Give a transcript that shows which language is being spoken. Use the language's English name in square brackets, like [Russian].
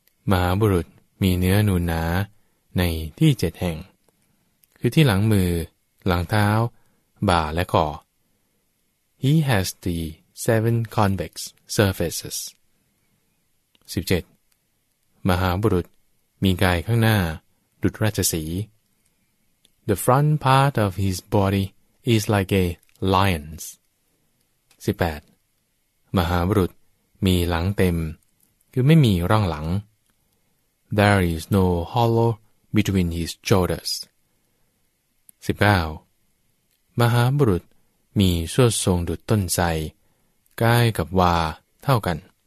[Thai] มหาบุรุษมีเนื้อหนูหนาในที่เจ็ดแห่งคือที่หลังมือหลังเท้าบ่าและคอ [English] He has the seven convex surfaces. 17. [Thai] มหาบุรุษมีกายข้างหน้าดุจราชสีห์ [English] The front part of his body is like a lion's. 18. [Thai] มหาบุรุษมีหลังเต็มคือไม่มีร่องหลัง [English] There is no hollow between his shoulders. 19. [Thai] มหาบุรุษมีส่วนทรงดุจต้นไทรใกล้กับวาเท่ากัน